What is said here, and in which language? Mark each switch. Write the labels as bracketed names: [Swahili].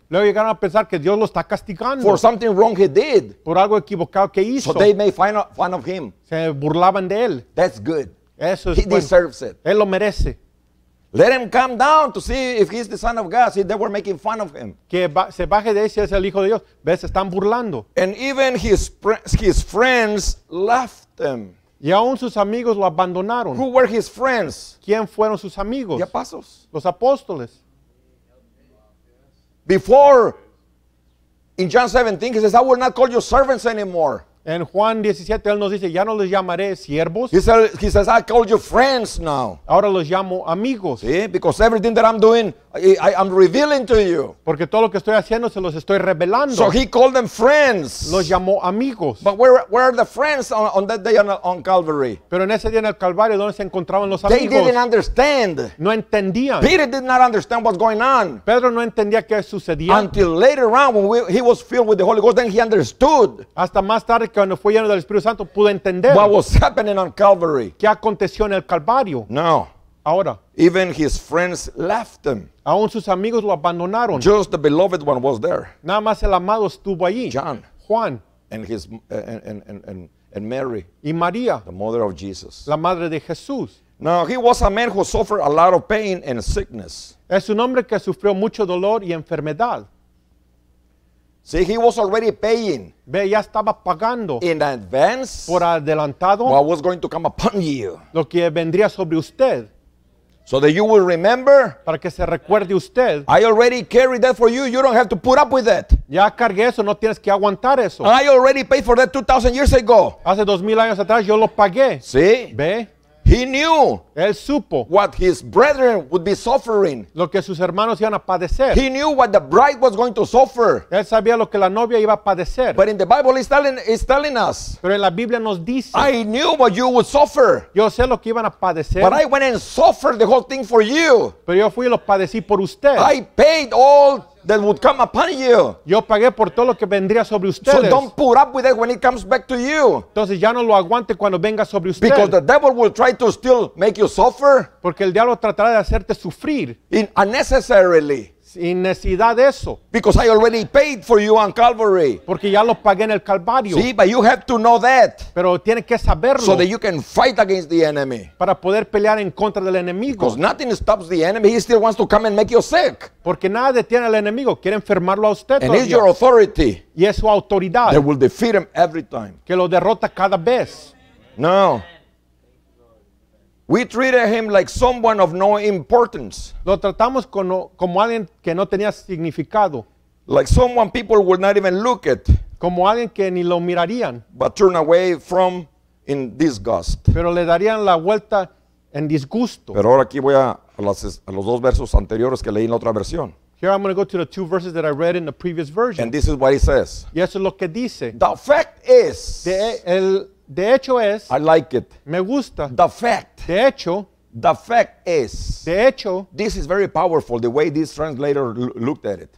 [Spanish] Luego llegaron a pensar que Dios lo está castigando. [English] For something wrong he did. [Spanish] Por algo equivocado que hizo. [English] So they made fun of him. [Spanish] Se burlaban de él. [English] That's good. [Spanish] Eso es [English] he [Spanish] bueno. [English] Deserves it. [Spanish] Él lo merece. [English] Let him come down to see if he's the son of God. See, they were making fun of him. [Spanish] Que se baje de ahí si es el hijo de Dios. Ves, están burlando. [English] And even his friends laughed him. [Spanish] Y aún sus amigos lo abandonaron. [English] Who were his friends? [Spanish] ¿Quién fueron sus amigos? [English] The apostles. [Spanish] Los apóstoles. [English] Before, in John 17, he says, I will not call you servants anymore. [Spanish] En Juan 17, él nos dice, ya no les llamaré siervos. [English] He says, I call you friends now. [Spanish] Ahora los llamo amigos. [English] See? Because everything that I'm doing, I'm revealing to you. [Spanish] Porque todo lo que estoy haciendo, se los estoy revelando. [English] So he called them friends. [Spanish] Los llamó amigos. [English] But where are the friends on that day on Calvary? [Spanish] Pero en ese día en el Calvario, ¿dónde se encontraban los [English] they [Spanish] amigos? [English] They didn't understand. [Spanish] No entendían. [English] Peter did not understand what's going on. [Spanish] Pedro no entendía qué sucedía. [English] Until later on, when he was filled with the Holy Ghost, then he understood. [Spanish] Hasta más tarde, cuando fue lleno del Espíritu Santo, pude entender. [English] What was happening on Calvary? [Spanish] ¿Qué aconteció en el Calvario? No. Ahora. [English] Even his friends left him. [Spanish] Aún sus amigos lo abandonaron. [English] Just the beloved one was there. [Spanish] Nada más el amado estuvo allí. [English] John. [Spanish] Juan. [English] And his and Mary. [Spanish] Y María. [English] The mother of Jesus. [Spanish] La madre de Jesús. [English] Now he was a man who suffered a lot of pain and sickness. [Spanish] Es un hombre que sufrió mucho dolor y enfermedad. [English] See, he was already paying. [Spanish] Ve, ya estaba pagando. [English] In advance. [Spanish] Por adelantado. [English] What was going to come upon you. [Spanish] Lo que vendría sobre usted. [English] So that you will remember. [Spanish] Para que se recuerde usted. [English] I already carried that for you. You don't have to put up with that. [Spanish] Ya cargué eso. No tienes que aguantar eso. [English] I already paid for that 2,000 years ago. [Spanish] Hace 2,000 años atrás yo lo pagué. [English] See. [Spanish] Ve. [English] He knew. [Spanish] Él supo. [English] What his brethren would be suffering. [Spanish] Lo que sus hermanos iban a padecer. [English] He knew what the bride was going to suffer. [Spanish] Él sabía lo que la novia iba a padecer. [English] But in the Bible he's telling us. [Spanish] Pero en la Biblia nos dice. [English] I knew what you would suffer. [Spanish] Yo sé lo que iban a padecer. [English] But I went and suffered the whole thing for you. [Spanish] Pero yo fui y lo padecí por usted. [English] I paid all that would come upon you. [Spanish] Yo pagué por todo lo que vendría sobre ustedes. [English] So don't put up with it when it comes back to you. [Spanish] Entonces ya no lo aguante cuando venga sobre usted. [English] Because the devil will try to still make you suffer. [Spanish] Porque el diablo tratará de hacerte sufrir. [English] Unnecessarily. [Spanish] Sin necesidad de eso. [English] Because I already paid for you on Calvary. [Spanish] Porque ya lo pagué en el Calvario. [English] See, but you have to know that. [Spanish] Pero tiene que saberlo. [English] So that you can fight against the enemy. [Spanish] Para poder pelear en contra del enemigo. [English] Because nothing stops the enemy. He still wants to come and make you sick. [Spanish] Porque nada detiene al enemigo. Quiere enfermarlo a usted todavía. [English] And it's your authority. [Spanish] Y es su autoridad. [English] That will defeat him every time. [Spanish] Que lo derrota cada vez. [English] No. We treated him like someone of no importance. [Spanish] Lo tratamos como alguien que no tenía significado. [English] Like someone people would not even look at. [Spanish] Como alguien que ni lo mirarían. [English] But turn away from in disgust. [Spanish] Pero le darían la vuelta en disgusto. Pero ahora aquí voy a los dos versos anteriores que leí en otra versión. [English] Here I'm going to go to the two verses that I read in the previous version. And this is what he says. [Spanish] Y eso es lo que dice. [English] The fact is. [Spanish] De hecho es. [English] I like it. [Spanish] Me gusta. [English] The fact. [Spanish] De hecho. [English] The fact is. [Spanish] De hecho. [English] This is very powerful the way this translator looked at it.